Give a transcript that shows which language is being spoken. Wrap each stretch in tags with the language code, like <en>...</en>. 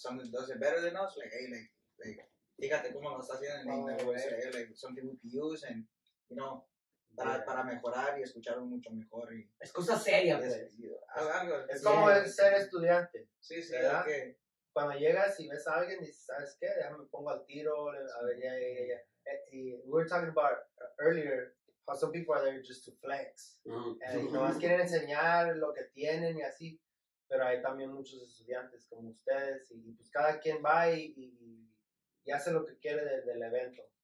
<en>Something does it better than us. Like, hey, like.</en> <es>Fíjate cómo lo está haciendo en el</es> <en>something we can use, and you know,</en> <es>para mejorar y escuchar mucho mejor.</es> <en>Y,</en> <es>es cosa seria, pues. Es como el ser estudiante. Sí, sí, ¿verdad? Es que cuando llegas y ves a alguien, dices, ¿sabes qué? Déjame pongo al tiro. A ver,</es> <en>we were talking about earlier how some people are there just to flex. Mm-hmm.</en> <es>Y nomás quieren enseñar lo que tienen y así. Pero hay también muchos estudiantes como ustedes. Y pues cada quien va y hace lo que quiere del evento.</es>